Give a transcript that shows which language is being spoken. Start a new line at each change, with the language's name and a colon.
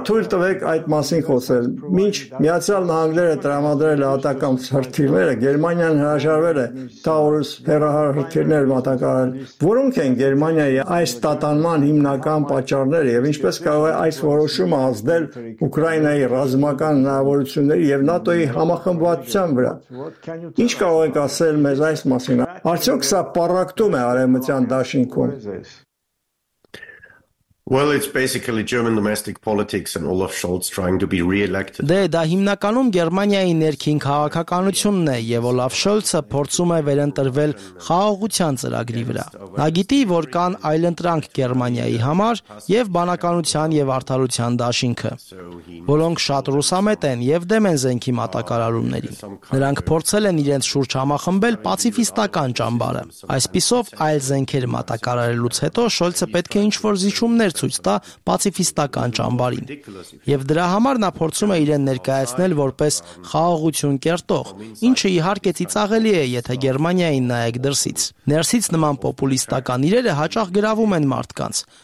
Armenian: թույլ տվեք այդ մասին խոսել։ Մինչ Միացյալ Նահանգները տրամադրել է Ատակամ հրթիռները, Գերմանիան հրաժարվել է Taurus հեռահար հրթիռներ մատակարարել։ Որոնք են Գերմանիայի այս տատանման հիմնական պատճառները եւ ինչպես կարող է այս որոշումը ազդել Ուկրաինայի ռազմական հնարավորությունների եւ ՆԱՏՕ-ի համախմբվածության վրա։ Ինչ կարող ենք ասել մեզ այս մասին։ Արդյոք սա պարակտում է արևմտյան դաշինքում։
English: Well, it's basically German domestic politics and Olaf Scholz trying to be re-elected.
Armenian: Դե դա հիմնականում Գերմանիայի ներքին քաղաքականությունն է, եւ Olaf Scholz-ը փորձում է վերընտրվել խաղաղության ծրագրի վրա։ Նա գիտի, որ կան այլ ընտրանք Գերմանիայի համար եւ բանականության եւ արդարության դաշինքը, որոնք շատ ռուսամետ են եւ դեմ են զենքի մատակարարումներին։ Նրանք փորձել են իրենց շուրջ համախմբել պացիֆիստական ճամբարը։ Այսպիսով, այլ զենքեր մատակարարելուց հետո Scholz-ը պետք է ինչ-որ զիջում ներծույց տա պացիֆիստական ճամբարին, եւ դրա համար նա փորձում է իրեն ներկայացնել որպես խաղաղություն կերտող, ինչը իհարկե ծիծաղելի է, եթե Գերմանիային նայեք դրսից։ Ներսից նման պոպուլիստական իրերը հաճախ գրավում են մարդկանց,